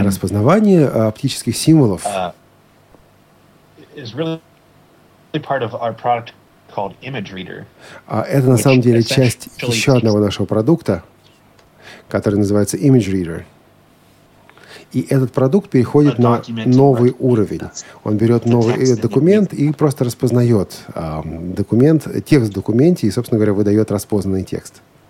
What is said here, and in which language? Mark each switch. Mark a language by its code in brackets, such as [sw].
[ru] Да, распознавание оптических символов. [en] Is really part of our product called Image Reader. [ru] Это на самом деле часть еще одного нашего продукта, который называется Image Reader. И этот продукт переходит на новый уровень. Он берет новый документ и просто распознает документ, текст в документе и, собственно говоря, выдает распознанный текст.